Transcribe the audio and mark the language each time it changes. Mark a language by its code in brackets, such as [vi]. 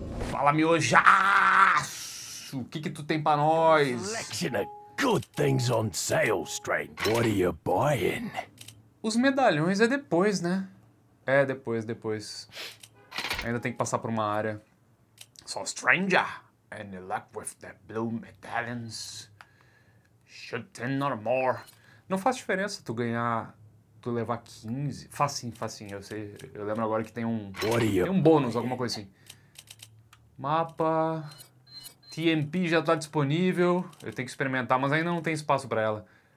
[pt] Fala, miojaço! O que que tu tem pra nós? [en] Good things on sale, stranger. What are you buying? [pt] Os medalhões é depois, né? É, depois, depois. Ainda tem que passar por uma área. [en] So, stranger, any luck with the blue medallions? Shooting or more? [pt] Não faz diferença tu ganhar, tu levar 15. Faz sim, eu sei. Eu lembro agora que tem um. [en] What are you [pt] tem um bônus, [en] buying? [pt] Alguma coisa assim. Mapa. TMP já tá disponível, eu tenho que experimentar, mas ainda não tem espaço pra ela.